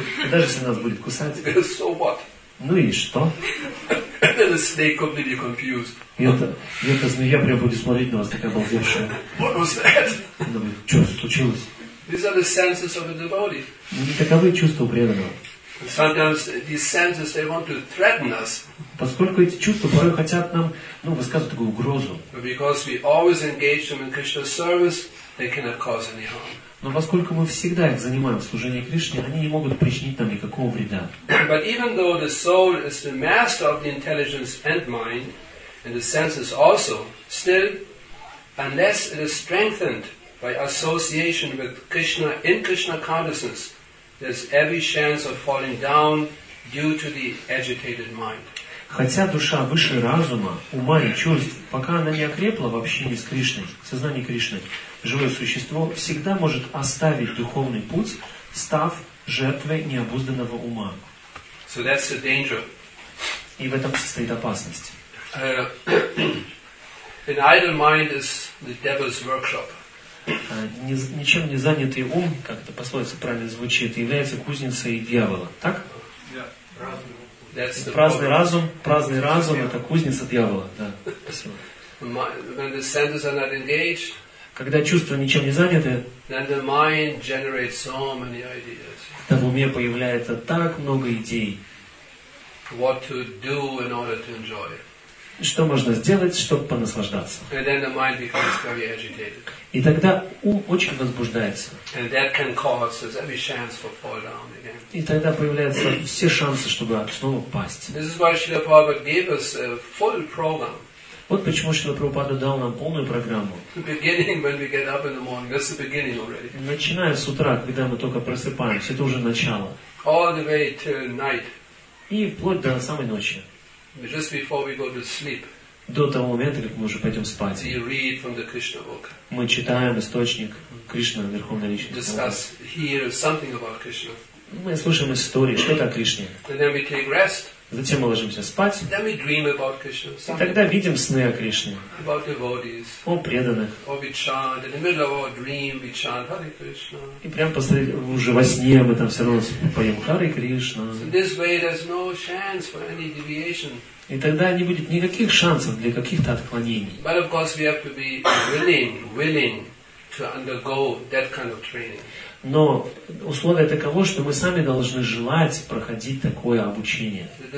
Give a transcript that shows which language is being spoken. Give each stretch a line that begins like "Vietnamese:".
Russian: Даже если нас будет кусать.
English: So what?
Russian: Ну и что?
English: The snake completely confused.
Russian: И эта змея прям будет смотреть на вас такая обалдевшая.
English: What was that?
Russian: Она говорит, что случилось?
English: These are the senses of the devotee.
Russian: Не таковы чувства у преданного.
English: Sometimes these senses they want to threaten us.
Russian: Поскольку эти чувства порой хотят нам, ну, высказывать такую угрозу.
English: But because we always engage them in Krishna's service, they cannot cause any harm.
Russian: Но поскольку мы всегда их занимаем в служении Кришне, они не могут причинить нам никакого вреда.
English: But even though the soul is the master of the intelligence and mind, and the senses also, still, unless it is strengthened by association with Krishna in Krishna consciousness, there's every chance of falling down due to the agitated mind.
Russian: Хотя душа выше разума, ума и чувств, пока она не окрепла в общении с Кришной, в сознании Кришны, живое существо всегда может оставить духовный путь, став жертвой необузданного ума.
English: So that's the danger.
Russian: И в этом состоит опасность.
English: An idle mind is the devil's workshop.
Russian: Ничем не занятый ум, как это пословица правильно звучит, является кузницей дьявола. Так? Праздный разум это кузница дьявола. Да.
English: When the senses are not engaged,
Russian: когда чувства ничем не заняты,
English: then the mind generates so many ideas.
Russian: Тогда в уме появляется так много идей.
English: What to do in order to enjoy.
Russian: Что можно сделать, чтобы понаслаждаться?
English: And then the mind becomes very agitated.
Russian: И тогда ум очень возбуждается.
English: And that can cause every chance for fall down again.
Russian: И тогда появляются все шансы, чтобы снова пасть.
English: This is why Srila Prabhupada gave us a full program.
Russian: Вот почему Шрила Прабхупада дал нам полную программу. Начиная с утра, когда мы только просыпаемся, это уже начало.
English: All the way till night.
Russian: И вплоть до самой ночи.
English: Just before we go to sleep,
Russian: до того момента, как мы уже пойдем спать.
English: We read from the Krishna book.
Russian: Мы читаем источник Кришны, Верховной Личности.
English: Discuss, hear something about Krishna.
Russian: Мы слушаем истории, что-то о Кришне.
English: And then we take rest.
Russian: Затем мы ложимся спать.
English: Then we dream about Krishna,
Russian: и тогда видим сны о Кришне.
English: About devotees,
Russian: о преданных. И прямо посреди, уже во сне мы там все равно поем Харе Кришна.
English: So this way there's no chance for any deviation.
Russian: И тогда не будет никаких шансов для каких-то отклонений.
English: But of course we have to be willing to undergo that kind of training.
Russian: Но условие таково, что мы сами должны желать проходить такое обучение.